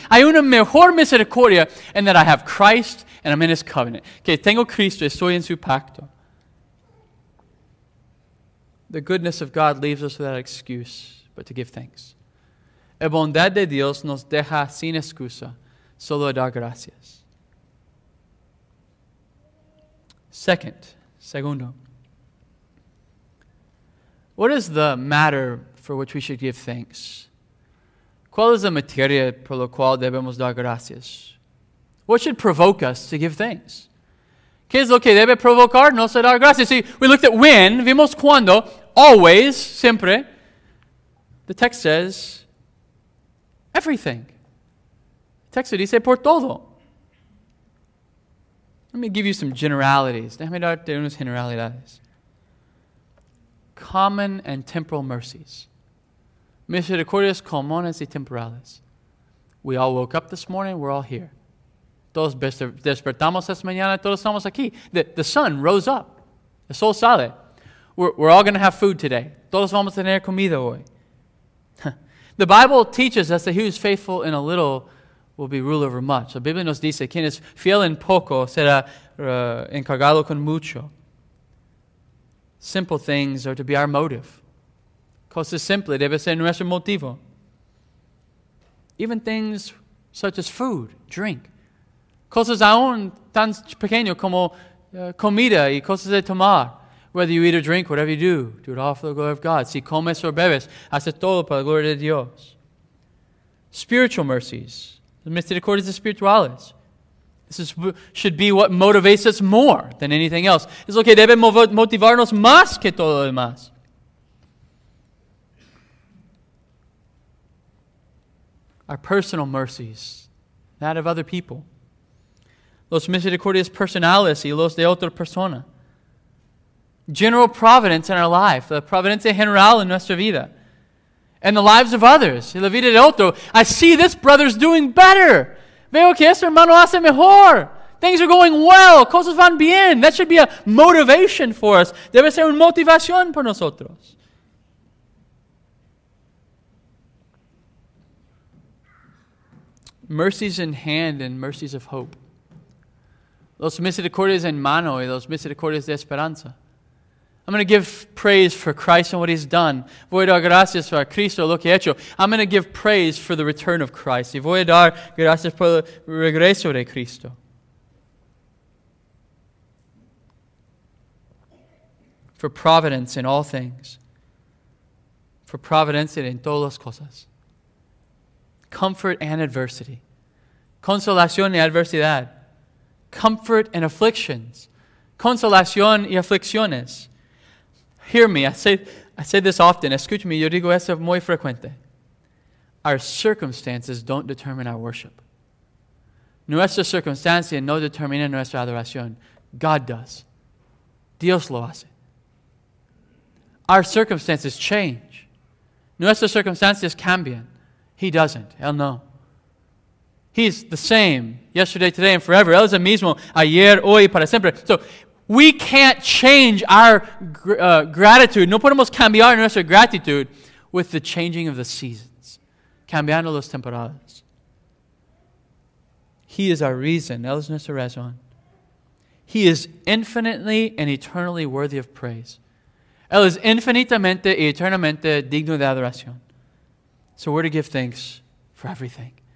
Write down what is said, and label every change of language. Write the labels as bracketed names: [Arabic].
[Spanish] Hay una mejor misericordia [English] in that I have Christ and I'm in his covenant. [Spanish] Que tengo Cristo y estoy en su pacto. [English] The goodness of God leaves us without excuse but to give thanks. [Spanish] La bondad de Dios nos deja sin excusa, solo a dar gracias. [English] Segundo, what is the matter for which we should give thanks? [Spanish] ¿Cuál es la materia por la cual debemos dar gracias? [English] What should provoke us to give thanks? [Spanish] ¿Qué es lo que debe provocarnos a dar gracias? [English] See, we looked at when, [Spanish] vimos cuando, [English] always, siempre. The text says, everything. The text [Spanish] dice, por todo. [English] Let me give you some generalities. [Spanish] Déjame darte unas generalidades. [English] Common and temporal mercies. [Spanish] Misericordias comunes y temporales. [English] We all woke up this morning. We're all here. [Spanish] Todos despertamos esta mañana. Todos estamos aquí. [English] The sun rose up. [Spanish] El sol sale. [English] We're all going to have food today. [Spanish] Todos vamos a tener comida hoy. [English] The Bible teaches us that he who is faithful in a little will be ruler over much. [Spanish] La Biblia nos dice, quien es fiel en poco será encargado con mucho. [English] Simple things are to be our motive. [Spanish] Cosas simples debe ser nuestro motivo. [English] Even things such as food, drink. [Spanish] Cosas aún tan pequeño como comida y cosas de tomar. [English] Whether you eat or drink, whatever you do, do it all for the glory of God. [Spanish] Si comes o bebes, haces todo para la gloria de Dios. [English] Spiritual mercies. The [Spanish] misericordias espirituales. [English] This should be what motivates us more than anything else. [Spanish] Es lo que debe motivarnos más que todo demás. [English] Our personal mercies, that of other people. [Spanish] Los misericordias personales y los de otra persona. [English] General providence in our life, [Spanish] la providencia general en nuestra vida. [English] And the lives of others, [Spanish] y la vida de otro. [English] I see this brother's doing better. [Spanish] Veo que este hermano hace mejor. [English] Things are going well. [Spanish] Cosas van bien. [English] That should be a motivation for us. [Spanish] Debe ser una motivación para nosotros. [English] Mercies in hand and mercies of hope. [Spanish] Los misericordias en mano y los misericordias de esperanza. [English] I'm going to give praise for Christ and what He's done. [Spanish] Voy a dar gracias a Cristo lo que ha hecho. [English] I'm going to give praise for the return of Christ. [Spanish] Y voy a dar gracias por el regreso de Cristo. [English] For providence in all things. [Spanish] For providencia en todas las cosas. [English] Comfort and adversity. [Spanish] Consolación y adversidad. [English] Comfort and afflictions. [Spanish] Consolación y aflicciones. [English] Hear me, I say this often. [Spanish] Escuche me, yo digo eso muy frecuente. [English] Our circumstances don't determine our worship. [Spanish] Nuestra circunstancia no determina nuestra adoración. [English] God does. [Spanish] Dios lo hace. [English] Our circumstances change. [Spanish] Nuestras circunstancias cambian. [English] He doesn't. [Spanish] Él no. [English] He's the same yesterday, today, and forever. [Spanish] Él es el mismo ayer, hoy, para siempre. [English] So, we can't change our gratitude. [Spanish] No podemos cambiar nuestra [English] gratitude with the changing of the seasons. [Spanish] Cambiando las temporadas. [English] He is our reason. [Spanish] Él es nuestra razón. [English] He is infinitely and eternally worthy of praise. [Spanish] Él es infinitamente y eternamente digno de adoración. [English] So we're to give thanks for everything.